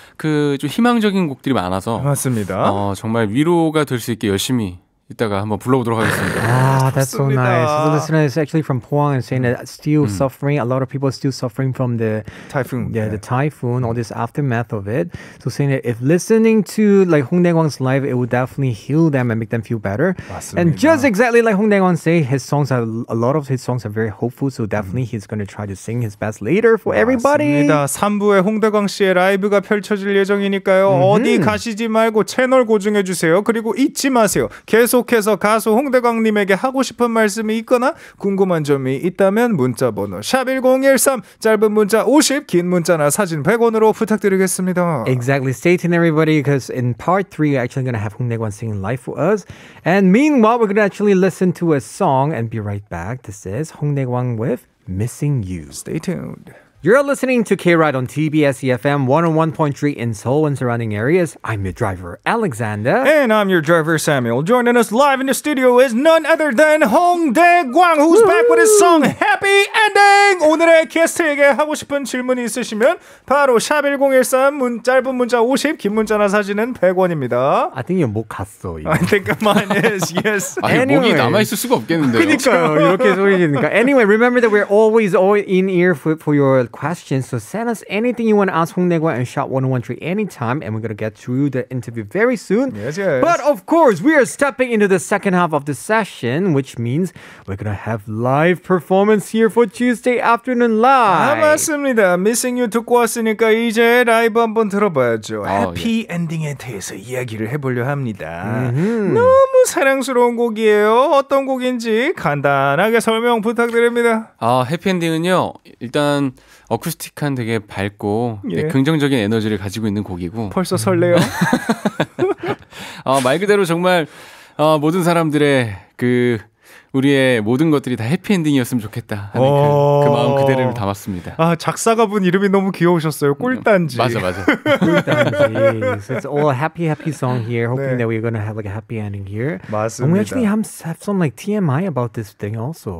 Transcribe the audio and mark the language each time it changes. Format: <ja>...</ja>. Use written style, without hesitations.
<ko>그 좀 희망적인 곡들이 많아서 맞습니다. 어, 정말 위로가 될 수 있게 열심히 이따가 한번 불러보도록 하겠습니다.</ko> <en>아, that's so nice. The listener is actually from Pohang and saying that still suffering, a lot of people still suffering from the typhoon. Yeah, the typhoon, all this aftermath of it. So saying that if listening to like Hong Dae-kwang's live, it would definitely heal them and make them feel better.</en> <ko>맞습니다.</ko> <en>And just exactly like Hong Dae-kwang say, his songs are, a lot of his songs are very hopeful, so definitely he's going to try to sing his best later for</en> <ko>맞습니다.</ko> <en>everybody.</en> <ko>3부에 Hong Dae-kwang 씨의 라이브가 펼쳐질 예정이니까요. 어디 가시지 말고 채널 고정해 주세요. 그리고 잊지 마세요. 계속해서 가수 홍대광님에게 하고 싶은 말씀이 있거나 궁금한 점이 있다면 문자번호 #1013 짧은 문자 50, 긴 문자나 사진 100원으로 부탁드리겠습니다.</ko> <en>Exactly. Stay tuned, everybody, because in part 3, we're actually going to have 홍대광 singing live for us. And meanwhile, we're going to actually listen to a song and be right back. This is 홍대광 with Missing You. Stay tuned. You're listening to K-Ride on TBS EFM 101.3 in Seoul and surrounding areas. I'm your driver, Alexander. And I'm your driver, Samuel. Joining us live in the studio is none other than Hong Dae-kwang, who's Woo-hoo! back with his song Happy Ending!</en> <ko>오늘의 게스트에게 하고 싶은 질문이 있으시면 바로 샵1013, 짧은 문자 50, 긴 문자나 사진은 100원입니다.</ko> <en>I think</en> <ko>목 갔어.</ko> <en>I think mine is, yes.</en> <ko>아니, anyway. 목이 남아있을 수가 없겠는데요. 그러니까요, 이렇게 소리지니까.</ko> <en>Anyway, remember that we're always all in ear for your questions, so send us anything you want to ask Hong Dae-kwang and Shop 1013 anytime, and we're going to get through the interview very soon. Yes, yes. But of course, we are stepping into the second half of the session, which means we're going to have live performance here for Tuesday Afternoon Live.</en> <ko>아, 맞습니다. Missing You 듣고 왔으니까 이제 라이브 한번 들어봐야죠.</ko> <en>Oh, Happy yeah.</en> <ko>Ending에 대해서 이야기를 해보려 합니다. Mm-hmm. 너무 사랑스러운 곡이에요. 어떤 곡인지 간단하게 설명 부탁드립니다. Happy Ending은요, 일단 어쿠스틱한 되게 밝고 예. 긍정적인 에너지를 가지고 있는 곡이고 벌써 설레요. 말 그대로 정말 모든 사람들의 그 우리의 모든 것들이 다 해피엔딩이었으면 좋겠다 하는 그 마음 그대로 담았습니다. 아, 작사가분 이름이 너무 귀여우셨어요. 꿀단지. 맞아 맞아. 꿀단지.</ko> <en>So it's all a happy happy song here. Hoping 네. that we're gonna have like a happy ending here.</en> <ko>맞습니다.</ko> <en>And we actually have some like TMI about this thing also.</en>